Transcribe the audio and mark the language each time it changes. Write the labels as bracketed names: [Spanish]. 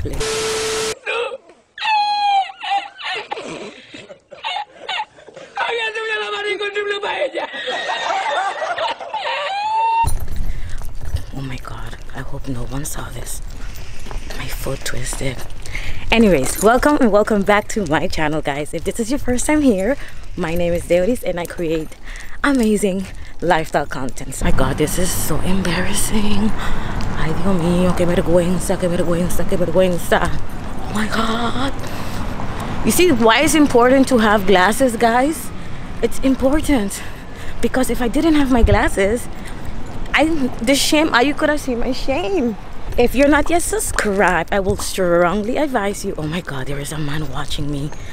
[English] Oh my god, I hope no one saw this. My foot twisted. Anyways, welcome and welcome back to my channel, guys. If this is your first time here, my name is Deurys and I create amazing lifestyle content. My god, this is so embarrassing. [Spanish] Ay, Dios mío, que vergüenza, que vergüenza, que vergüenza. [English] Oh my god. You see why it's important to have glasses, guys? It's important because if I didn't have my glasses, you could have seen my shame. If you're not yet subscribed, I will strongly advise you. Oh my god, there is a man watching me.